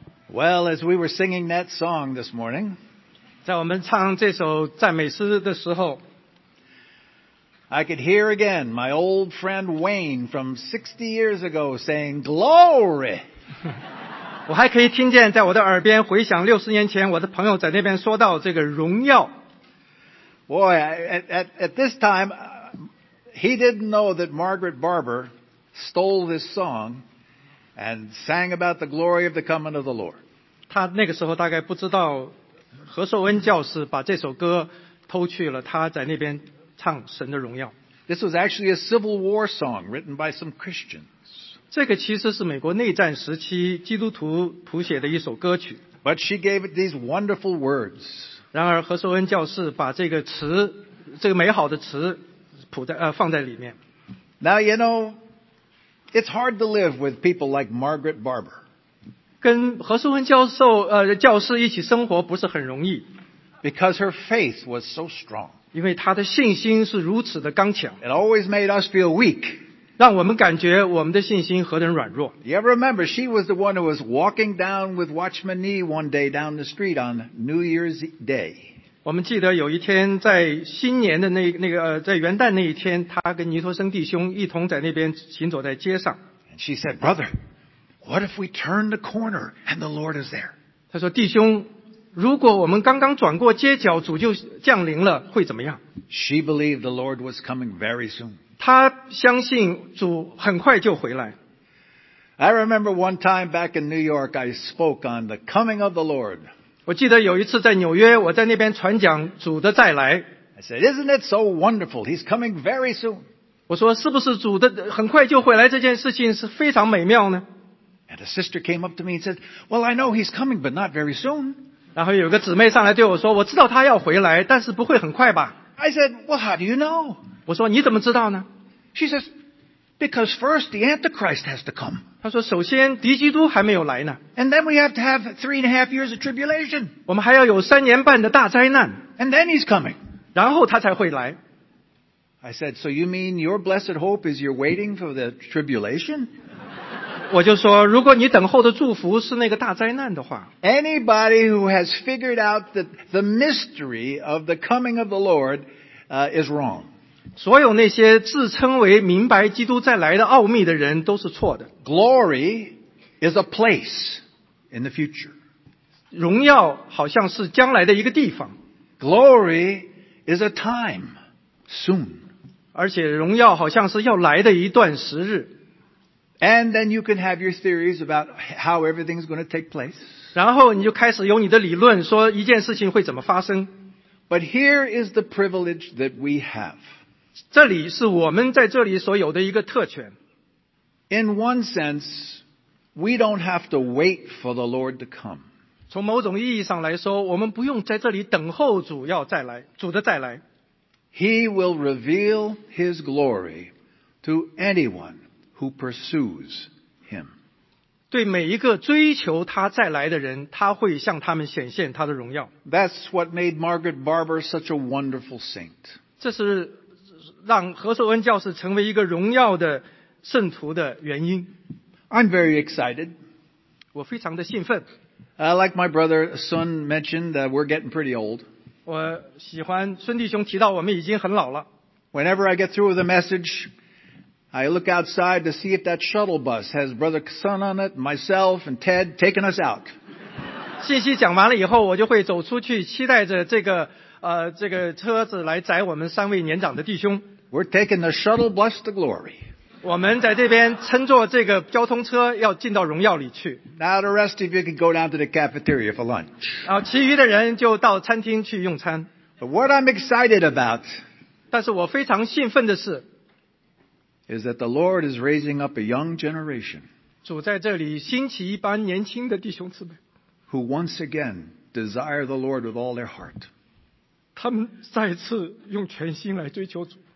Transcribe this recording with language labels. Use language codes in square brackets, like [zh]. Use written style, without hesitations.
[en] Well, as we were singing that song this morning, [zh] 在我们唱这首赞美诗的时候 [en] I could hear again my old friend Wayne from 60 years ago saying, Glory! [zh] 我还可以听见在我的耳边回响60年前我的朋友在那边说到这个荣耀。 [en] Boy, at this time, he didn't know that Margaret Barber stole this song and sang about the glory of the coming of the Lord. [zh] 他那个时候大概不知道何寿恩教士把这首歌偷去了他在那边唱神的荣耀。 [en] This was actually a Civil War song written by some Christians. [zh] 这个其实是美国内战时期基督徒谱写的一首歌曲。 [en] But she gave it these wonderful words. [zh] 然而何寿恩教士把这个词这个美好的词谱在放在里面。 [en] Now, you know, it's hard to live with people like Margaret Barber. [zh] 跟何寿恩教授教士一起生活不是很容易。 [en] Because her faith was so strong. [zh] 因为她的信心是如此的刚强。 [en] It always made us feel weak. [zh] 让我们感觉我们的信心何等软弱。 [en] You ever remember, she was the one who was walking down with Watchman Nee one day down the street on New Year's Day. [zh] 我们记得有一天在新年的在元旦那一天她跟尼托生弟兄一同在那边行走在街上。 [en] And she said, Brother, what if we turn the corner and the Lord is there? [zh] 她说弟兄如果我们刚刚转过街角主就降临了会怎么样 [en] She believed the Lord was coming very soon. [zh] 他相信主很快就回来。 [en] I remember one time back in New York, I spoke on the coming of the Lord. [zh] 我记得有一次在纽约，我在那边传讲主的再来。 [en] I said, "Isn't it so wonderful? He's coming very soon." [zh] 我说是不是主的很快就回来这件事情是非常美妙呢 [en] ？And a sister came up to me and said, "Well, I know he's coming, but not very soon." [zh] 然后有个姊妹上来对我说，我知道他要回来，但是不会很快吧 [en] ？I said, "Well, how do you know?" [zh] 我说你怎么知道呢 [en] She says, because first the Antichrist has to come. [zh] 她说首先敌基督还没有来呢 [en] And then we have to have 3.5 years of tribulation. [zh] 我们还要有三年半的大灾难 [en] And then he's coming. [zh] 然后他才会来 [en] I said, so you mean your blessed hope is you're waiting for the tribulation? [zh] 我就说如果你等候的祝福是那个大灾难的话 [en] Anybody who has figured out the mystery of the coming of the Lord, is wrong. [zh] 所有那些自称为明白基督再来的奥秘的人都是错的。 [en] Glory is a place in the future. [zh] 荣耀好像是将来的一个地方。 [en] Glory is a time soon. [zh] 而且荣耀好像是要来的一段时日。 [en] And then you can have your theories about how everything's going to take place. [zh] 然后你就开始有你的理论说一件事情会怎么发生。 [en] But here is the privilege that we have. [zh] 这里是我们在这里所有的一个特权。 [en] In one sense, we don't have to wait for the Lord to come. [zh] 从某种意义上来说，我们不用在这里等候主要再来，主的再来。 [en] He will reveal His glory to anyone who pursues Him. [zh] 对每一个追求他再来的人，他会向他们显现他的荣耀。 [en] That's what made Margaret Barber such a wonderful saint. [zh] 这是让何寿恩教士成为一个荣耀的圣徒的原因。 [en] I'm very excited. [zh] 我非常的兴奋。 [en] Like my brother Sun mentioned, we're getting pretty old. [zh] 我喜欢孙弟兄提到我们已经很老了。 [en] Whenever I get through with a message, I look outside to see if that shuttle bus has brother Sun on it, myself and Ted taking us out. [zh] 信息讲完了以后，我就会走出去，期待着这个。这个车子来载我们三位年长的弟兄。 [en] We're taking the shuttle bus to glory. [zh] 我们在这边乘坐这个交通车要进到荣耀里去。 [en] Now the rest of you can go down to the cafeteria for lunch. [zh] 然后其余的人就到餐厅去用餐。 [en] But what I'm excited about, [zh] 但是我非常兴奋的是 [en] is that the Lord is raising up a young generation. [zh] 主在这里兴起一般年轻的弟兄姊妹。 [en] Who once again desire the Lord with all their heart. [zh] 他们再次用全心来追求主。